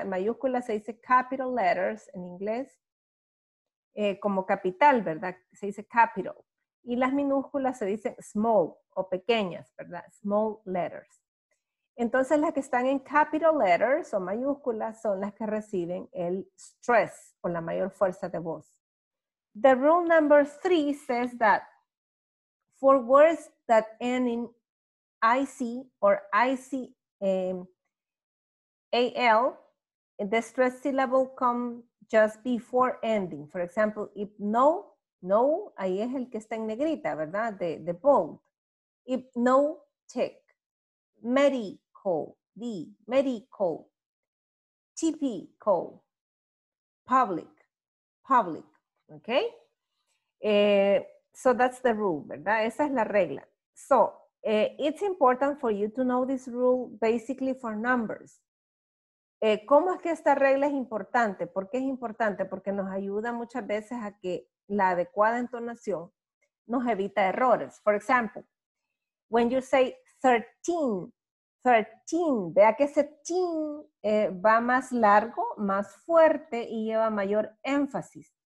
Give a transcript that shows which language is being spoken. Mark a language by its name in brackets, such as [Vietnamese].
[Spanish] En mayúsculas se dice capital letters en inglés, como capital, ¿verdad? Se dice capital. Y las minúsculas se dicen small o pequeñas, ¿verdad? Small letters. Entonces las que están en capital letters o mayúsculas son las que reciben el stress o la mayor fuerza de voz. [English] The rule number three says that for words that end in IC or ICAL, the stress syllable come just before ending. For example, [Spanish] if no, no, ahí es el que está en negrita, ¿verdad? [English] The bold. Hypnotic, medical, the medical, typical, public, public. Okay? So that's the rule, [Spanish] ¿verdad? Esa es la regla. [English] So, it's important for you to know this rule basically for numbers. [Spanish] ¿Cómo es que esta regla es importante? ¿Por qué es importante? Porque nos ayuda muchas veces a que la adecuada entonación nos evita errores. [English] For example, when you say 13, 13, [Spanish] vea que ese teen va más largo, más fuerte y lleva mayor énfasis.